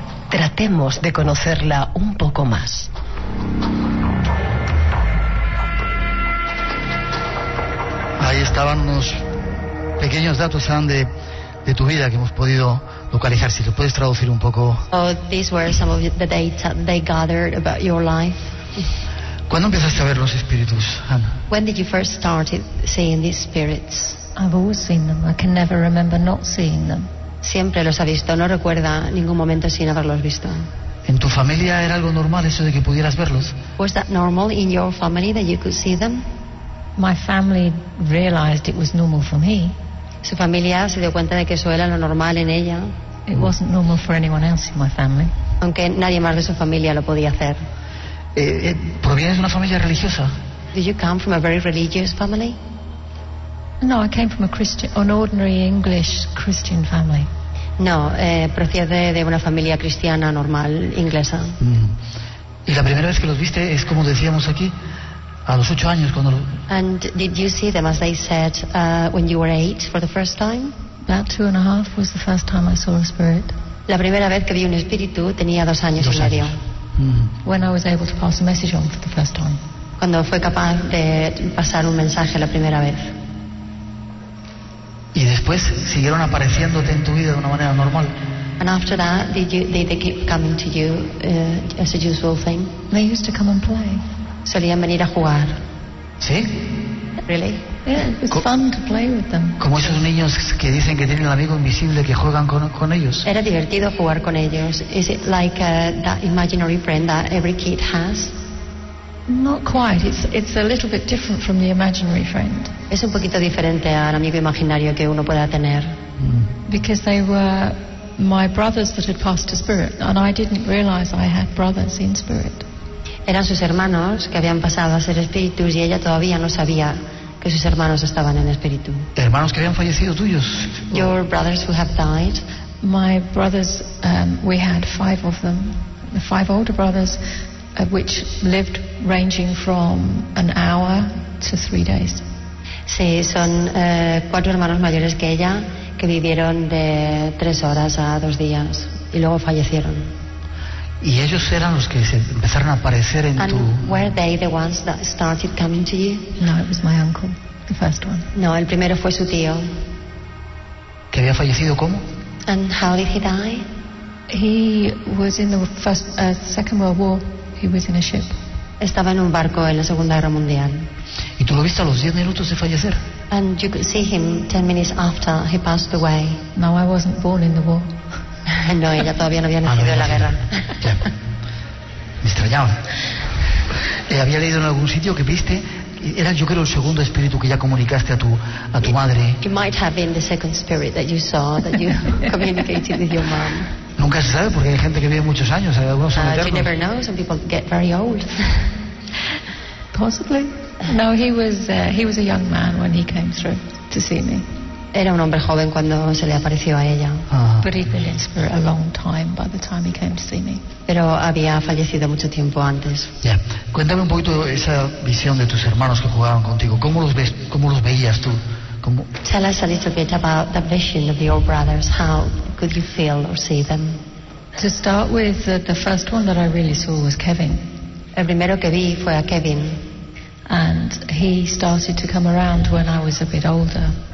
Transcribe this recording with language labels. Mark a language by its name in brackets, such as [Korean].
[Spanish] Tratemos de conocerla un poco más. Ahí estaban unos pequeños datos, Anne, de tu vida que hemos podido localizar. Si lo puedes traducir un poco. [English] These were some of the data they gathered about your life. [Spanish] ¿Cuándo empezaste a ver los espíritus, Anne? [English] When did you first start seeing these spirits? I've always seen them. I can never remember not seeing them. [Spanish] Siempre los ha visto. No recuerda ningún momento sin haberlos visto. ¿En tu familia era algo normal eso de que pudieras verlos? [English] Was that normal in your family that you could see them? My family realized it was normal for me. [Spanish] Su familia se dio cuenta de que eso era lo normal en ella. [English] It wasn't normal for anyone else in my family. [Spanish] Aunque nadie más de su familia lo podía hacer. ¿Provienes de una familia religiosa? [English] Did you come from a very religious family? No, I came from a Christian, an ordinary English Christian family. [Spanish] No, procede de una familia cristiana normal, inglesa. Y la primera vez que los viste es como decíamos aquí, a los 8 años cuando. [English] And did you see them as they said when you were 8 for the first time? About 2.5 was the first time I saw a spirit. [Spanish] La primera vez que vi un espíritu tenía 2 años y medio. [English] When I was able to pass a message on for the first time. [Spanish] Cuando fue capaz de pasar un mensaje la primera vez. Y después siguieron apareciéndote en tu vida de una manera normal. [English] And after that, did they keep coming to you as a usual thing? They used to come and play. [Spanish] Solían venir a jugar. ¿Sí? [English] Really? Yeah, it was fun to play with them. [Spanish] Como esos niños que dicen que tienen el amigo invisible que juegan con ellos. Era divertido jugar con ellos. [English] Is it like that imaginary friend that every kid has? Not quite. It's a little bit different from the imaginary friend. [Spanish] Es un poquito diferente al amigo imaginario que uno pueda tener. [English] Because they were my brothers that had passed to spirit, and I didn't realize I had brothers in spirit. [Spanish] Eran sus hermanos que habían pasado a ser espíritus y ella todavía no sabía que sus hermanos estaban en espíritu. Hermanos que habían fallecido tuyos. [English] Your brothers who have died. My brothers, we had 5 of them, 5 older brothers. Which lived ranging from an hour to 3 days. [Spanish] Sí, son 4 hermanos mayores que ella que vivieron de 3 horas a 2 días y luego fallecieron. Y ellos eran los que se empezaron a aparecer en [English] and [Spanish] tu. [English] Were they the ones that started coming to you? No, it was my uncle, the first one. [Spanish] No, el primero fue su tío. ¿Que había fallecido cómo? [English] And how did he die? He was in the first, Second World War. He was in a ship. [Spanish] Estaba en un barco en la Segunda Guerra Mundial. ¿Y tú lo viste a los 10 minutos de fallecer? [English] And you could see him 10 minutes after he passed away. No, I wasn't born in the war. [Spanish] No, ella todavía no había nacido en la guerra. Ya. Me extrañaba. Había leído en algún sitio que viste, era yo creo el segundo espíritu que ya comunicaste a tu madre. [English] It might have been the second spirit that you saw, that you communicated with your mom. [Spanish] Nunca se sabe, porque hay gente que vive muchos años, algunos son eternos. [English] You never know, some people get very old. Possibly. No, he was a young man when he came through to see me. [Spanish] Era un hombre joven cuando se le apareció a ella. [English] But he'd been in spirit a long time by the time he came to see me. [Spanish] Pero había fallecido mucho tiempo antes. Ya. Yeah. Cuéntame un poquito esa visión de tus hermanos que jugaban contigo. ¿Cómo los veías tú? ¿Cómo? [English] Tell us a little bit about the vision of your brothers. How could you feel or see them? To start with, the first one that I really saw was Kevin. [Spanish] El primero que vi fue a Kevin. [English] And he started to come around when I was a bit older.